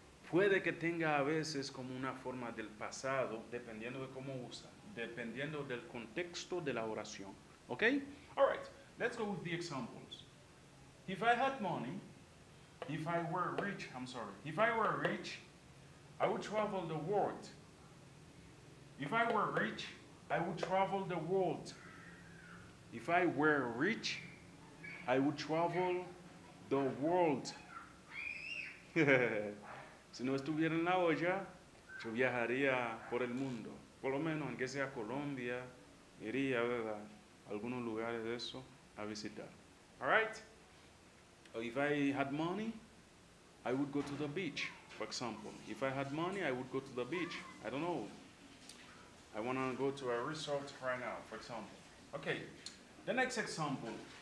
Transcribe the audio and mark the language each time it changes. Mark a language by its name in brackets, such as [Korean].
[Spanish] Puede que tenga a veces como una forma del pasado, dependiendo de cómo usa, dependiendo del contexto de la oración. [English] Okay? All right, let's go with the examples. If I had money, if I were rich, I'm sorry, if I were rich, I would travel the world. If I were rich, I would travel the world. If I were rich, I would travel the world. [Spanish] Si no estuviera en la olla, yo viajaría por el mundo. Por lo menos, aunque sea Colombia, iría, ¿verdad? Algunos lugares de eso a visitar. [English] All right? If I had money, I would go to the beach, for example. If I had money, I would go to the beach. I don't know. I want to go to a resort right now, for example. Okay. The next example